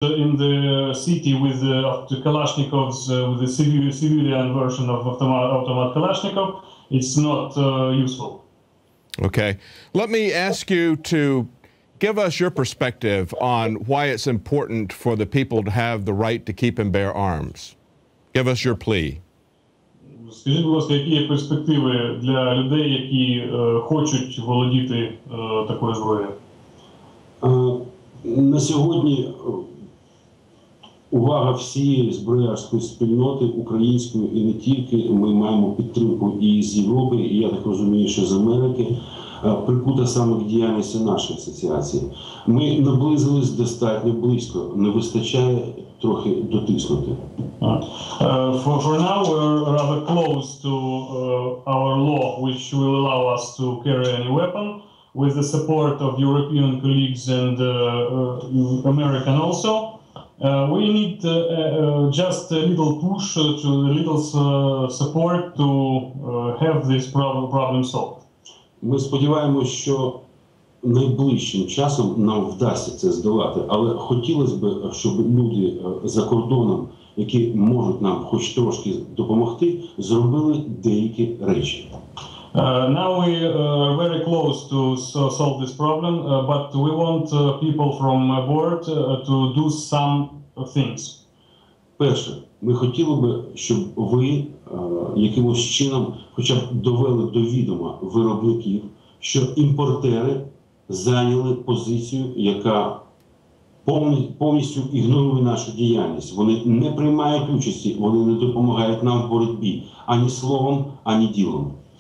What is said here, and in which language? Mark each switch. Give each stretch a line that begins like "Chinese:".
English: in the city with the Kalashnikovs, with the civilian version of automatic Kalashnikov, it's not useful. Okay. Let me ask you to give us your perspective on why it's important for the people to have the right to keep and bear arms. Give us your plea.
Ukrainian: Скажіть, будь ласка, які є перспективи для людей, які хочуть володіти такою зброєю? На сьогодні увага всієї зброярської спільноти, української і не тільки, ми маємо підтримку і з Європи, і я так розумію, що з Америки, прикута саме в діяльності нашої асоціації. Ми наблизились достатньо близько, не вистачає трохи дотиснути.
English: For now, we're rather close to our law, which will allow us to carry any weapon, with the support of European colleagues and American also. We need just a little push, to a little support to have this problem solved.
Ukrainian: Ми сподіваємося, що найближчим часом нам вдасться це здолати, але хотілося б, щоб люди за кордоном, які можуть нам хоч трошки допомогти, зробили деякі речі.
English: Now we are very close to solve this problem, but we want people from abroad to do some things.
Ukrainian: Перше, ми хотіли б, щоб ви якимось чином хоча б довели до відома виробників, що імпортери зайняли позицію, яка повністю ігнорує нашу діяльність. Вони не приймають участі, вони не допомагають нам в боротьбі ані словом, ані ділом.